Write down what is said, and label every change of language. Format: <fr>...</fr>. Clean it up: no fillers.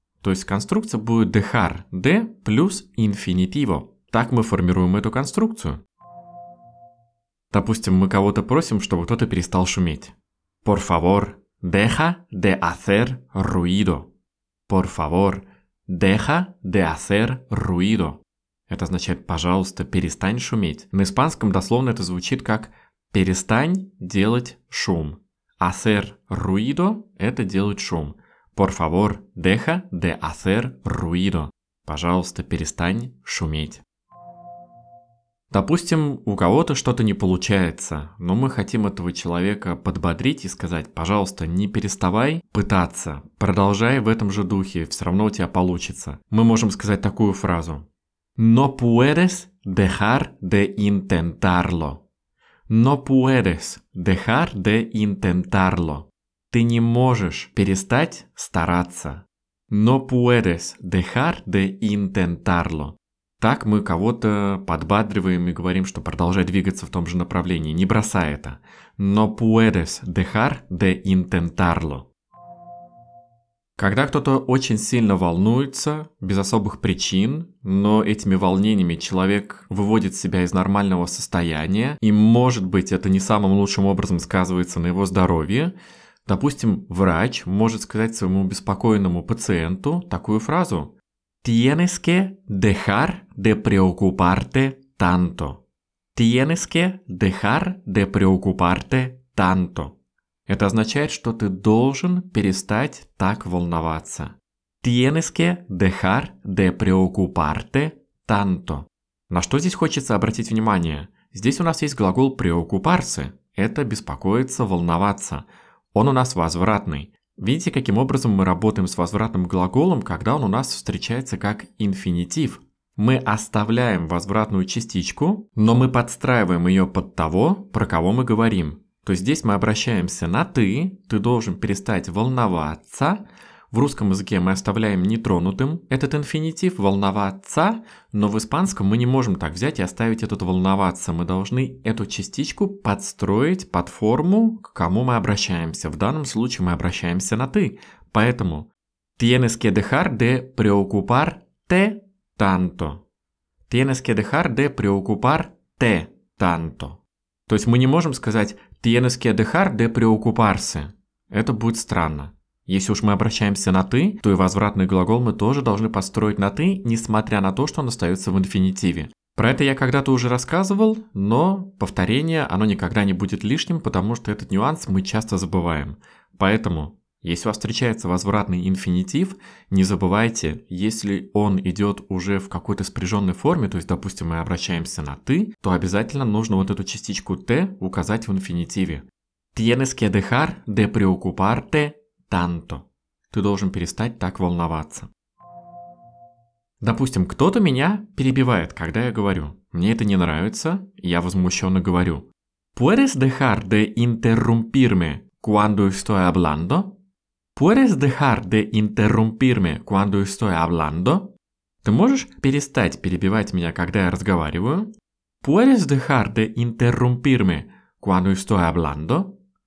<ru>То есть конструкция будет dejar de плюс infinitivo. Так мы формируем эту конструкцию. Допустим, мы кого-то просим, чтобы кто-то перестал шуметь.</ru> <es>Por favor, deja de hacer ruido. Por favor, Deja de hacer ruido.</es> <ru>Это означает «пожалуйста, перестань шуметь». На испанском дословно это звучит как «перестань делать шум».</ru> <es>Hacer ruido</es> <ru>– это делать шум.</ru> <es>Por favor, deja de hacer ruido.</es> <ru>Пожалуйста, перестань шуметь. Допустим, у кого-то что-то не получается, но мы хотим этого человека подбодрить и сказать: пожалуйста, не переставай пытаться, продолжай в этом же духе, все равно у тебя получится. Мы можем сказать такую фразу:</ru> <es>No puedes dejar de intentarlo. No puedes dejar de intentarlo.</es> <ru>Ты не можешь перестать стараться.</ru> <es>No puedes dejar de intentarlo.</es> <ru>Так мы кого-то подбадриваем и говорим, что продолжай двигаться в том же направлении, не бросай это.</ru> <es>No puedes dejar de intentarlo.</es> <ru>Когда кто-то очень сильно волнуется, без особых причин, но этими волнениями человек выводит себя из нормального состояния, и, может быть, это не самым лучшим образом сказывается на его здоровье, допустим, врач может сказать своему беспокоенному пациенту такую фразу:</ru> <es>«Tienes que dejar de preocuparte tanto». «Tienes que dejar de preocuparte tanto».</es> <ru>Это означает, что ты должен перестать так волноваться.</ru> <es>Tienes que dejar de preocuparte tanto.</es> <ru>На что здесь хочется обратить внимание? Здесь у нас есть глагол preocuparse. Это беспокоиться, волноваться. Он у нас возвратный. Видите, каким образом мы работаем с возвратным глаголом, когда он у нас встречается как инфинитив? Мы оставляем возвратную частичку, но мы подстраиваем ее под того, про кого мы говорим. То есть здесь мы обращаемся на «ты», «ты должен перестать волноваться». В русском языке мы оставляем нетронутым этот инфинитив «волноваться», но в испанском мы не можем так взять и оставить этот «волноваться». Мы должны эту частичку подстроить под форму, к кому мы обращаемся. В данном случае мы обращаемся на «ты».</ru> <es>Поэтому «tienes que dejar de preocuparte tanto». «Tienes que dejar de preocuparte tanto».</es> <ru>То есть мы не можем сказать</ru> <es>«Tienes que dejar de preocuparse».</es> <ru>Это будет странно. Если уж мы обращаемся на «ты», то и возвратный глагол мы тоже должны построить на «ты», несмотря на то, что он остается в инфинитиве. Про это я когда-то уже рассказывал, но повторение, оно никогда не будет лишним, потому что этот нюанс мы часто забываем. Поэтому, если у вас встречается возвратный инфинитив, не забывайте, если он идет уже в какой-то спряженной форме, то есть, допустим, мы обращаемся на «ты», то обязательно нужно вот эту частичку «т» указать в инфинитиве.</ru> <es>«Tienes que dejar de preocuparte tanto».</es> <ru>Ты должен перестать так волноваться. Допустим, кто-то меня перебивает, когда я говорю. Мне это не нравится, я возмущенно говорю.</ru> <es>«Puedes dejar de interrumpirme cuando estoy hablando?» Puedes dejar de interrumpirme cuando estoy hablando?</es> <ru>Ты можешь перестать перебивать меня, когда я разговариваю?</ru> <es>Puedes dejar de interrumpirme cuando estoy hablando?</es>